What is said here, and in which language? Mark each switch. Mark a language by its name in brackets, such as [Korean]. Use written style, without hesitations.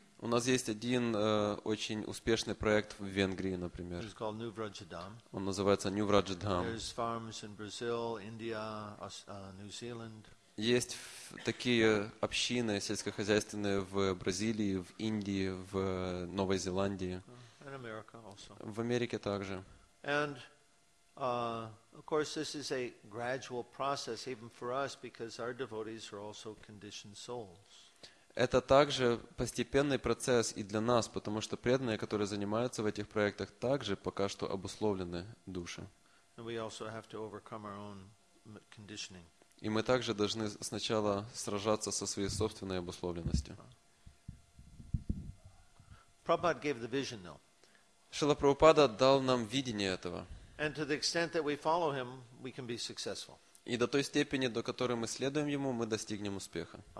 [Russian] У нас есть один очень успешный проект в Венгрии, например. [English] It's called New Vrajadam. [Russian] Он называется New Vrajadam. [English] There's farms in Brazil, India, New Zealand. [Russian] Есть такие общины сельскохозяйственные в Бразилии, в Индии, в Новой Зеландии. [English] And America also. [Russian] В Америке также. [English] And of course this is a gradual process even for us because our devotees are also conditioned souls. [Russian] Это также постепенный процесс и для нас, потому что преданные, которые занимаются в этих проектах, также пока что обусловлены души. [English] And we also have to overcome our own conditioning. [Russian] И мы также должны сначала сражаться со своей собственной обусловленностью. Шрила Прабхупада дал нам видение этого. И до той степени, до которой мы следуем ему, мы достигнем успеха.